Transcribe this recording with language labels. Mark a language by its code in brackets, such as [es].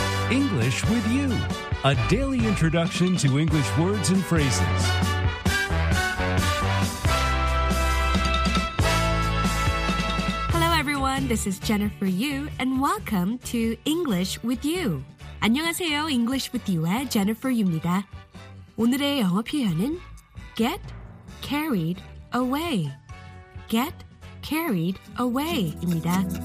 [en] English with you, a daily introduction to English words and phrases. Hello everyone, this is Jennifer Yu and welcome to English with you. [ko] 안녕하세요, English with you의 Jennifer Yu입니다. 오늘의 영어 표현은 get carried away. [en] Get carried away입니다.